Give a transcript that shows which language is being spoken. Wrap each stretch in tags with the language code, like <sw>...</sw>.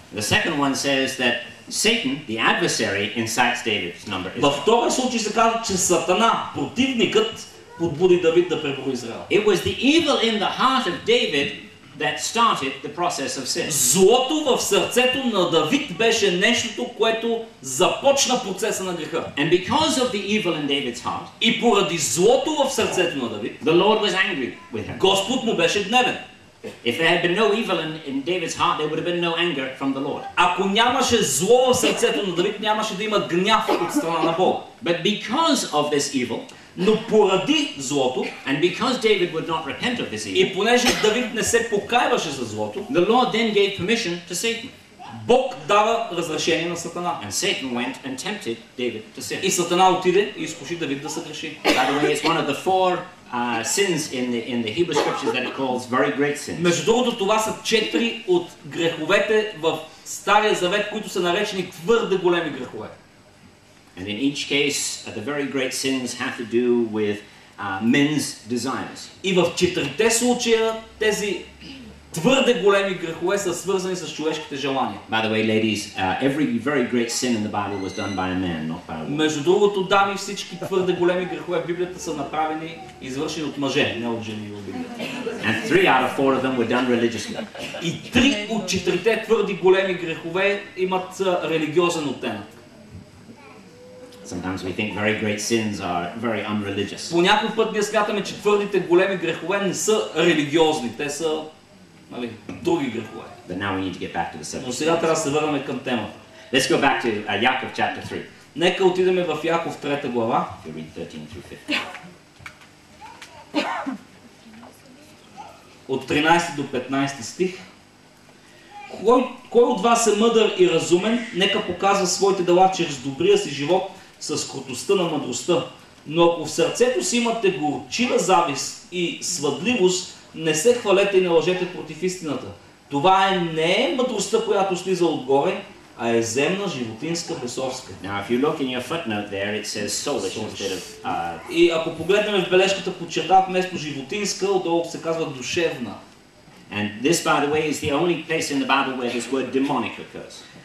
<en>The second one says that Satan, the adversary, incites David to number Israel.</en> <bg>В втория случай се казва, че Сатана, противникът, подбуди Давид да преброи Израел.</bg> <en>It was the evil in the heart of David that started the process of sin.</en> <bg>Злото в сърцето на Давид беше нещото, което започна процеса на греха.</bg> <en>And because of the evil in David's heart,</en> <bg>и поради злото в сърцето на Давид,</bg> <en>the Lord was angry with him.</en> <bg>Господ му беше гневен.</bg> <en>If there had been no evil in David's heart, there would have been no anger from the Lord.</en> <bg>Ако нямаше зло в сърцето на Давид, нямаше да има гняв от страна на Бог.</bg> <en>But because of this evil,</en> <bg>но поради злото,</bg> <en>and because David would not repent of this evil,</en> <bg>и понеже Давид не се покаяваше за злото,</bg> <en>the Lord then gave permission to Satan.</en> <bg>Бог дава разрешение на Сатана.</bg> <en>And Satan went and tempted David to sin.</en> <bg>И Сатана отиде и изкуши Давид да се греши.</bg> <en>By the way, it's one of the four sins in the Hebrew scriptures that it calls very great sins.</en> <bg>Между другото, това са четири от греховете в Стария Завет, които са наречени твърде големи грехове.</bg> <en>And in each case, the very great sins have to do with men's desires.</en> <bg>И в четирите случая тези твърде големи грехове са свързани с човешките желания.</bg> <en>By the way, ladies, every very great sin in the Bible was done by a man, not by a woman.</en> <bg>Между другото, дами, всички твърде големи грехове в Библията са направени и извършени от мъже, не от жени в Библията.</bg> <en>And three out of four of them were done religiously.</en> <bg>И три от четирите твърди големи грехове имат религиозен оттенък.</bg> <en>Sometimes we think very great sins are very unreligious.</en> <bg>Понякога път ние смятаме, че твърдите големи грехове не са религиозни, те са други грехове.</bg> <en>But now we need to get back to the subject.</en> <bg>Но сега трябва да се върнем към темата.</bg> <en>Let's go back to Яков chapter 3.</en> <bg>Нека отидем в Яков 3 глава.</bg> <en>We'll read 13 through</en> <bg>15. От 13 до 15 стих. Кой от вас е мъдър и разумен, нека показва своите дела чрез добрия си живот с крутостта на мъдростта. Но ако в сърцето си имате горчива завист и свъдливост, не се хвалете и не лъжете против истината. Това е не е мъдростта, която слиза отгоре, а е земна, животинска, бесовска.</bg> <en>Now, if you look in your footnote there, it says soulish instead of...</en> <bg>И ако погледнем в бележката, подчертава вместо животинска, отдолу се казва душевна.</bg> <en>And this, by the way, is the only place in the Bible where this word demonic occurs.</en>